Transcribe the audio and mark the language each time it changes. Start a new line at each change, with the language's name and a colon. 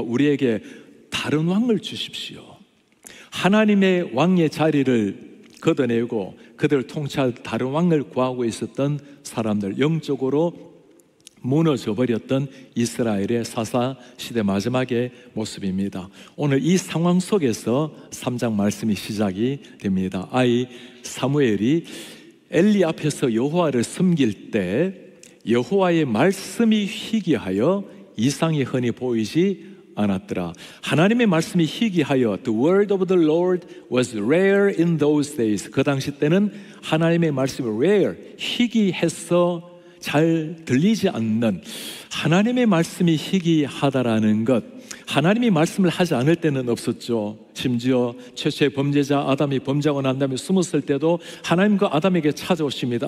Korean: 우리에게 다른 왕을 주십시오. 하나님의 왕의 자리를 걷어내고 그들을 통치할 다른 왕을 구하고 있었던 사람들, 영적으로 무너져버렸던 이스라엘의 사사시대 마지막의 모습입니다. 오늘 이 상황 속에서 3장 말씀이 시작이 됩니다. 아이 사무엘이 엘리 앞에서 여호와를 섬길 때 여호와의 말씀이 희귀하여 이상이 흔히 보이지 않았더라. 하나님의 말씀이 희귀하여,
English: The word of the Lord was rare in those days.
Korean: 그 당시 때는 하나님의 말씀이 rare, 희귀해서 잘 들리지 않는, 하나님의 말씀이 희귀하다라는 것. 하나님이 말씀을 하지 않을 때는 없었죠. 심지어 최초의 범죄자 아담이 범죄하고 난 다음에 숨었을 때도 하나님과 아담에게 찾아오십니다.